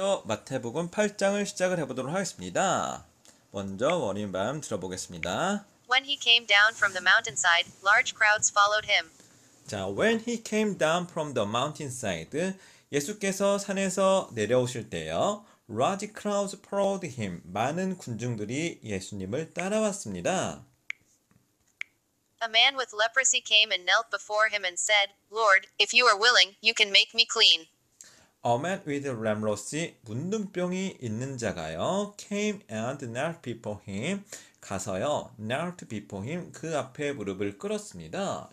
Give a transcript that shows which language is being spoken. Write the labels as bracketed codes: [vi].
[ko] 마태복음 8장을 시작을 해보도록 하겠습니다. 먼저 원인 말씀 들어보겠습니다. [en] When he came down from the mountainside, large crowds followed him. 자, when he came down from the mountainside, [ko] 예수께서 산에서 내려오실 때요, [en] large crowds followed him. [ko] 많은 군중들이 예수님을 따라왔습니다. [en] A man with leprosy came and knelt before him and said, Lord, if you are willing, you can make me clean. A man with leprosy, [ko] 문둥병이 있는 자가요, [en] came and knelt before him, [ko] 가서요, [en] knelt before him, [ko] 그 앞에 무릎을 꿇었습니다.